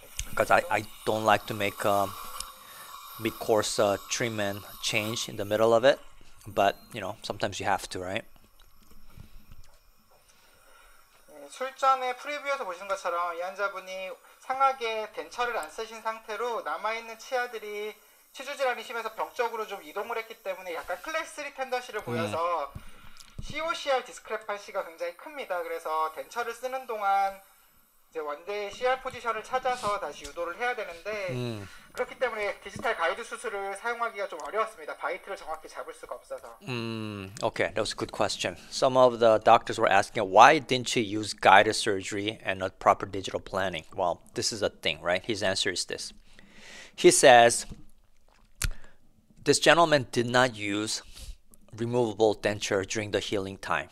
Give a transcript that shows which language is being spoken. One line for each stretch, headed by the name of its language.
English: Because I don't like to make a mid-course treatment change in the middle of it. But, you know, sometimes you have to, right?
Korean: 출전의 프리뷰에서 보신 것처럼 이 환자분이 상악에 덴처를 안 쓰신 상태로 남아있는 치아들이 치주질환이 심해서 병적으로 좀 이동을 했기 때문에 약간 클래스 3 텐더시를 보여서 COCR 디스크레파시가 굉장히 큽니다. 그래서 덴처를 쓰는 동안 이제 원대의 CR 포지션을 찾아서 다시 유도를 해야 되는데 그렇기 때문에 디지털 가이드 수술을 사용하기가 좀 어려웠습니다. 바이트를 정확히 잡을 수가 없어서.
English: Okay, that was a good question. Some of the doctors were asking why didn't you use guided surgery and not proper digital planning? Well, this is a thing, right? His answer is this. He says this gentleman did not use removable denture during the healing time.